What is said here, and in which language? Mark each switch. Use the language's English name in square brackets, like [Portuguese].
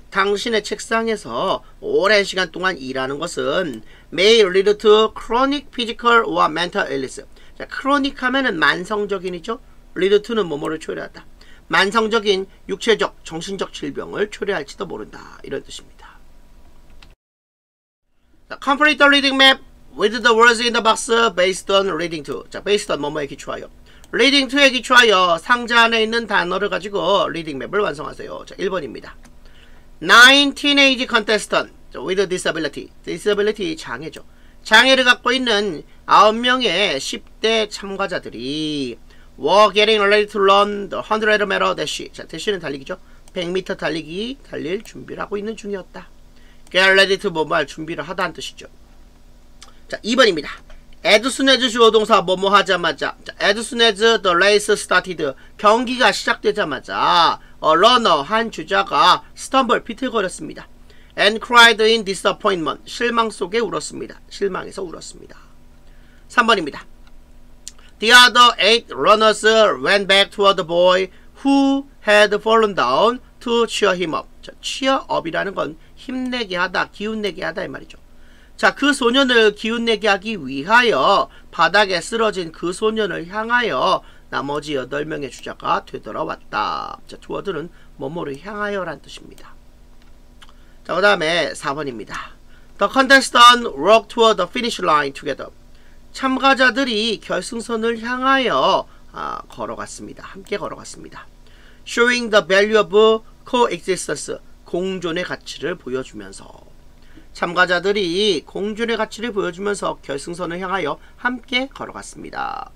[Korean] 당신의 책상에서 오랜 시간 동안 일하는 것은 [English] may lead to chronic physical or mental illness. [Korean] 자, chronic 하면은 만성적인이죠. lead to는 뭐뭐를 초래한다. 만성적인 육체적, 정신적 질병을 초래할지도 모른다. 이런 뜻입니다. [English] 자, complete the reading map with the words in the box based on reading to. [Korean] 자, based on 뭐뭐에 기초하여. Reading to에 기초하여 상자 안에 있는 단어를 가지고 reading map을 완성하세요. 자, 1번입니다. [English] Nine teenage contestants with disability. Disability 장애죠. [Korean] 장애를 갖고 있는 9명의 10대 참가자들이 [English] were getting ready to run the 100m dash. [Korean] 자, dash는 달리기죠. 100m 달리기 달릴 준비를 하고 있는 중이었다. [English] Get ready to [Korean] 뭐뭐 할 준비를 하다는 뜻이죠. 자, 2번입니다. [English] As soon as [Korean] 주어동사 뭐뭐 하자마자. [English] 자, as soon as the race started. [Korean] 경기가 시작되자마자 [English] a runner [Korean] 한 주자가 stumble 비틀거렸습니다. [English] And cried in disappointment. [Korean] 실망 속에 울었습니다. 실망해서 울었습니다. 3번입니다. [English] The other eight runners went back toward the boy who had fallen down to cheer him up. [Korean] 자, cheer up이라는 건 힘내게 하다, 기운내게 하다 이 말이죠. 자, 그 소년을 기운내게 하기 위하여 바닥에 쓰러진 그 소년을 향하여 나머지 8명의 주자가 되돌아왔다. 자, toward는 뭐뭐를 향하여란 뜻입니다. 자, 그 다음에 4번입니다. [English] The contestants walked toward the finish line together. [Korean] 참가자들이 결승선을 향하여 걸어갔습니다. 함께 걸어갔습니다. [English] Showing the value of coexistence. [Korean] 공존의 가치를 보여주면서. 참가자들이 공존의 가치를 보여주면서 결승선을 향하여 함께 걸어갔습니다.